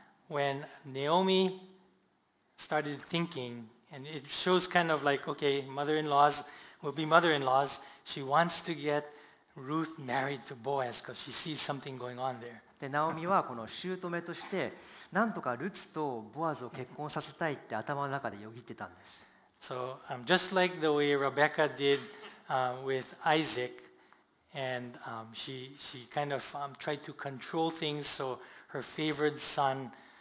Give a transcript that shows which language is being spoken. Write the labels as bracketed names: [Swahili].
[English] When Naomi started thinking, and it shows kind of like, okay, mother-in-laws will be mother-in-laws. She wants to get Ruth married to Boaz because she sees something going on there. [Japanese] で、ナオミはこの姑としてなんとかルツとボアズを結婚させたいって頭の中でよぎってたんです。 [English] So, just like the way Rebecca did with Isaac, and she kind of tried to control things so her favored son.